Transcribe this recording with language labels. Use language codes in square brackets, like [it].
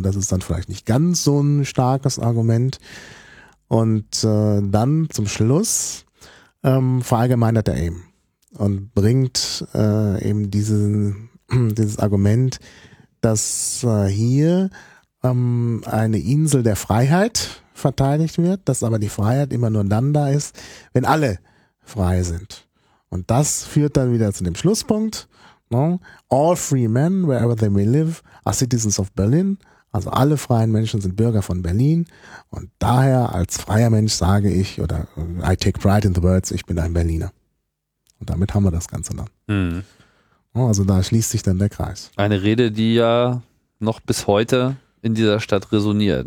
[de] Das ist dann vielleicht nicht ganz so ein starkes Argument. Und dann zum Schluss verallgemeinert er eben und bringt eben dieses Argument, dass hier eine Insel der Freiheit verteidigt wird, dass aber die Freiheit immer nur dann da ist, wenn alle frei sind. Und das führt dann wieder zu dem Schlusspunkt. No? [en] All free men, wherever they may live, are citizens of Berlin. [de] Also alle freien Menschen sind Bürger von Berlin und daher als freier Mensch sage ich, oder [en] I take pride in the words, [de] ich bin ein Berliner. Und damit haben wir das Ganze dann. Mhm. Also da schließt sich dann der Kreis. Eine Rede, die ja noch bis heute in dieser Stadt resoniert.